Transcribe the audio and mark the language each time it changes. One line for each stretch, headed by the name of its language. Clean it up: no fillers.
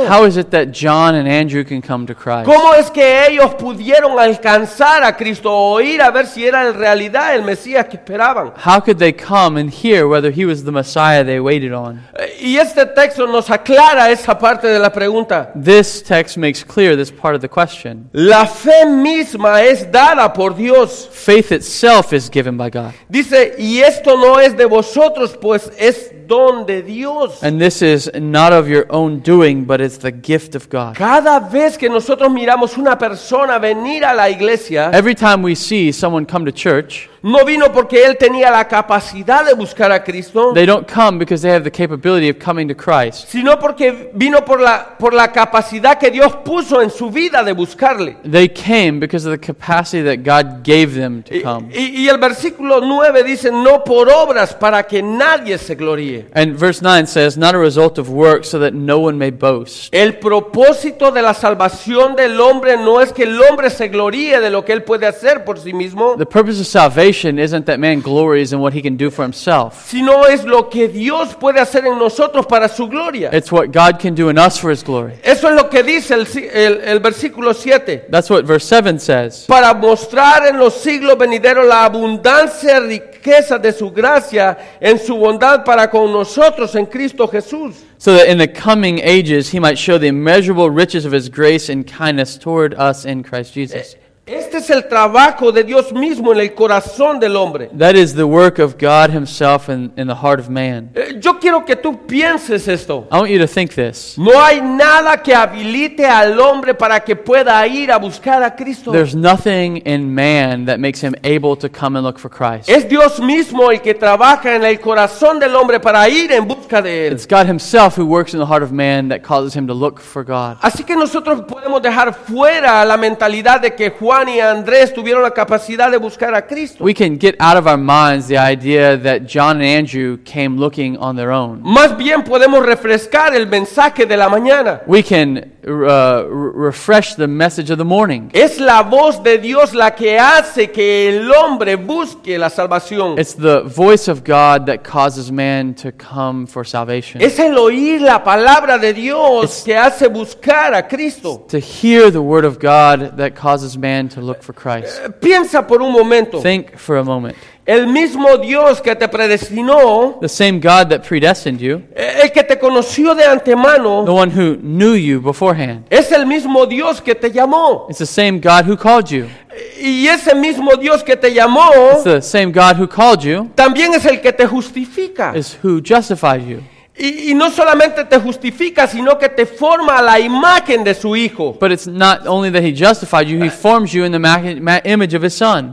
English: How is it that John and Andrew can come to Christ?
Spanish: ¿Cómo es que ellos pudieron alcanzar a Cristo o ir a ver si era en realidad el Mesías que esperaban?
English: How could they come and hear whether he was the Messiah they waited on?
Spanish: Y este texto nos aclara esa parte de la pregunta.
English: This text makes clear this part of the question.
Spanish: La fe misma es dada por Dios.
English: Faith itself is given by God.
Spanish: Dice, y esto no es de vosotros, pues es don de Dios.
English: And this is not of your own doing, but it's the gift of God.
Spanish: Cada vez que nosotros miramos una persona venir a la iglesia,
English: every time we see someone come to church,
Spanish: no vino porque él tenía la capacidad de buscar a Cristo.
English: They don't come because they have the capability of coming to Christ.
Spanish: Sino porque vino por la capacidad que Dios puso en su vida de buscarle.
English: They came because of the capacity that God gave them to come.
Spanish: Y el versículo 9 dice, no por obras para que nadie se gloríe.
English: And verse 9 says, not a result of works so that no one may boast.
Spanish: El propósito de la salvación del hombre no es que el hombre se gloríe de lo que él puede hacer por sí mismo.
English: The purpose of salvation isn't that man glories in what he can do for himself.
Spanish: Sino es lo que Dios puede hacer en nosotros para su gloria.
English: It's what God can do in us for his glory.
Spanish: Eso es lo que dice el versículo 7.
English: That's what verse 7 says.
Spanish: Para mostrar en los siglos venideros la abundancia riqueza de su gracia en su bondad para con nosotros en Cristo Jesús.
English: so that in the coming ages he might show the immeasurable riches of his grace and kindness toward us in Christ Jesus.
Spanish: Este es el trabajo de Dios mismo en el corazón del hombre.
English: That is the work of God himself in the heart of man.
Spanish: Yo quiero que tú pienses esto.
English: I want you to think this.
Spanish: No hay nada que habilite al hombre para que pueda ir a buscar a Cristo.
English: There's nothing in man that makes him able to come and look for Christ.
Spanish: Es Dios mismo el que trabaja en el corazón del hombre para ir en busca de él.
English: It's God himself who works in the heart of man that causes him to look for God.
Spanish: Así que nosotros podemos dejar fuera la mentalidad de que Juan y Andrés tuvieron la capacidad de buscar a Cristo.
English: We can get out of our minds the idea that John and Andrew came looking on their own.
Spanish: Más bien podemos refrescar el mensaje de la mañana.
English: We can refresh the message of the morning.
Spanish: Es la voz de Dios la que hace que el hombre busque la salvación.
English: It's the voice of God that causes man to come for salvation.
Spanish: Es el oír la palabra de Dios que hace buscar a Cristo.
English: To hear the word of God that causes man to look for Christ.
Spanish: Piensa por un momento.
English: Think for a moment.
Spanish: El mismo Dios que te predestinó,
English: the same God that predestined you,
Spanish: el que te conoció de antemano,
English: the one who knew you beforehand,
Spanish: es el mismo Dios que te llamó.
English: It's the same God who called you.
Spanish: Y ese mismo Dios que te llamó,
English: it's the same God who called you,
Spanish: también es el que te justifica,
English: is who justified you.
Spanish: Y no solamente te justifica, sino que te forma la imagen de su hijo.
English: But it's not only that he justified you, he forms you in the image of his son.